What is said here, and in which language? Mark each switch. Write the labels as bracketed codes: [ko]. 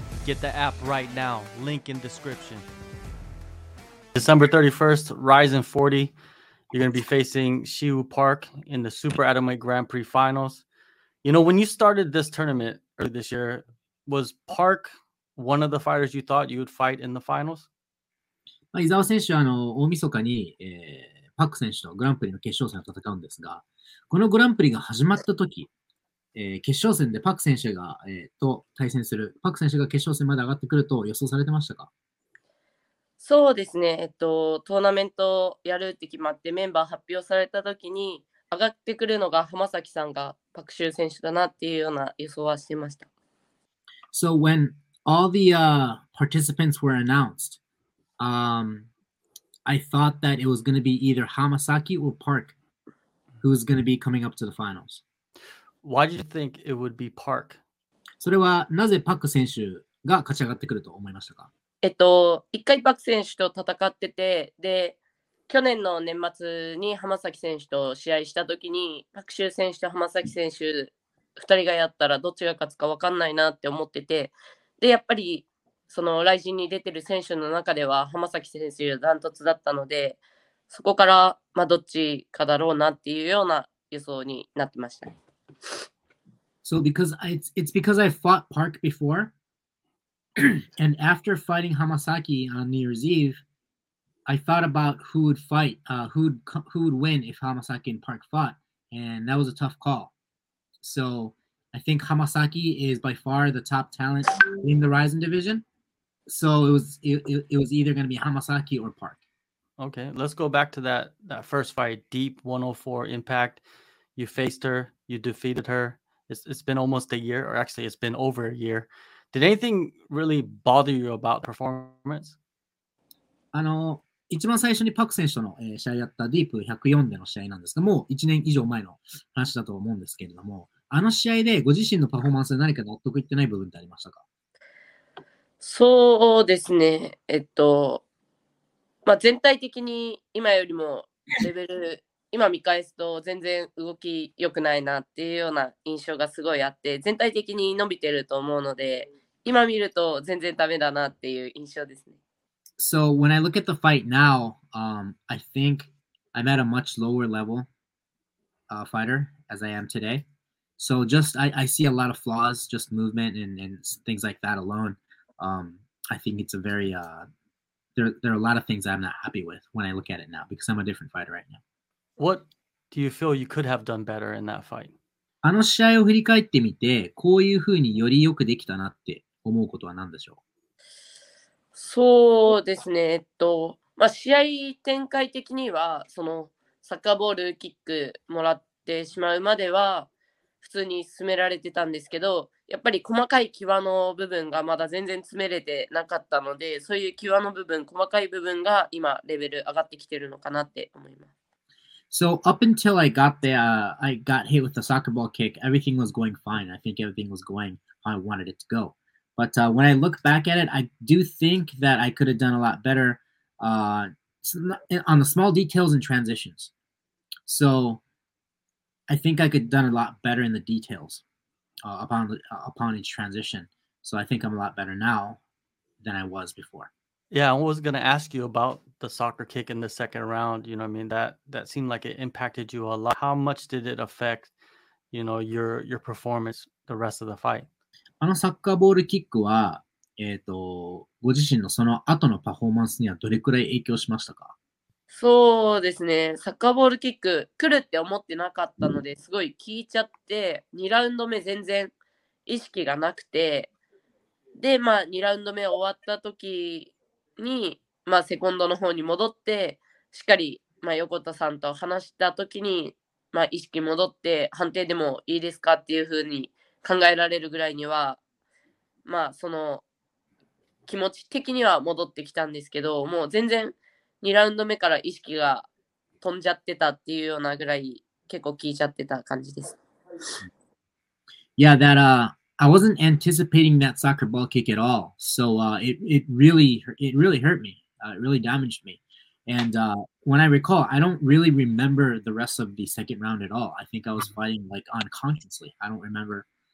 [en] Get the app right now. Link in description. December 31st, Rizin 40. You're going to be facing Siwoo Park in the Super Atomweight Grand Prix Finals. You know, when you started this tournament earlier this year, was Park one of the fighters you thought you would fight in the finals? [ja] 伊沢選手は大晦日に、パック選手とグランプリの決勝戦を戦うんですが、このグランプリが始まった時、決勝戦でパック選手が、と対戦する、パック選手が決勝戦まで上がってくると予想されてましたか？そうですね、トーナメントやるって決まってメンバー発表された時に上がってくるのが浜崎さんがパクシュー選手だなっていうような予想はしてました。 [en] So when all the、participants were announced、I thought that it was going to be either Hamasaki or Park who's going to be coming up to the finals. Why did you think it would be Park? [ja] それはなぜパク選手が勝ち上がってくると思いましたか？一回パク選手と戦ってて、で、去年の年末に浜崎選手と試合したときに、パクシュー選手と浜崎選手2人がやったらどっちが勝つか分かんないなって思ってて、で、やっぱりそのライジンに出てる選手の中では浜崎選手ダントツだったので、そこからまあどっちかだろうなっていうような予想になってました。 [en] So because it's because I fought Park before. And after fighting Hamasaki on New Year's Eve, I thought about who would fight, who would win if Hamasaki and Park fought, and that was a tough call. So I think Hamasaki is by far the top talent in the Rizin division. So it was either going to be Hamasaki or Park. Okay, let's go back to that first fight, Deep 104 Impact. You faced her, you defeated her. It's been almost a year, or actually it's been over a year. Did anything really bother you about performance? [ja] 一番最初にパク選手との、試合やったディープ104での試合なんですが、もう1年以上前の話だと思うんですけれども、あの試合でご自身のパフォーマンスで何か納得いってない部分ってありましたか？そうですね。まあ、全体的に今よりもレベル、今見返すと全然動き良くないなっていうような印象がすごいあって、全体的に伸びてると思うので、今見ると全然ダメだなっていう印象ですね。 [en] So when I look at the fight now, I think I'm at a much lower level fighter as I am today. So just I see a lot of flaws, just movement and things like that alone. I think it's a very, there are a lot of things I'm not happy with when I look at it now because I'm a different fighter right now. What do you feel you could have done better in that fight? [ja] あの試合を振り返ってみて、こういうふうにより良くできたなって思うことは何でしょう？そうですね。まあ、試合展開的にはそのサッカーボールキックもらってしまうまでは普通に進められてたんですけど、やっぱり細かい際の部分がまだ全然詰めれてなかったので、そういう際の部分、細かい部分が今レベル上がってきてるのかなって思います。 [en] So up until I got there, I got hit with the soccer ball kick. Everything was going fine. I think everything was going how I wanted it to go. But when I look back at it, I do think that I could have done a lot better on the small details and transitions. So I think I could have done a lot better in the details upon each transition. So I think I'm a lot better now than I was before. Yeah, I was going to ask you about the soccer kick in the second round. You know what I mean? That seemed like it impacted you a lot. How much did it affect, you know, your performance the rest of the fight? [ja] あのサッカーボールキックは、ご自身のその後のパフォーマンスにはどれくらい影響しましたか？そうですね。サッカーボールキック来るって思ってなかったので、すごい聞いちゃって、2ラウンド目全然意識がなくて、で、まあ2ラウンド目終わった時に、まあセコンドの方に戻って、しっかり、まあ、横田さんと話した時に、まあ意識戻って、判定でもいいですかっていう風に、考えられるぐらいには、まあその気持ち的には戻ってきたんですけど、もう全然2ラウンド目から意識が飛んじゃってたっていうようなぐらい結構聞いちゃってた感じです。 [en] Yeah, that I wasn't anticipating that soccer ball kick at all. So it really hurt me. It really damaged me. And when I recall, I don't really remember the rest of the second round at all. I think I was fighting like unconsciously. I don't remember.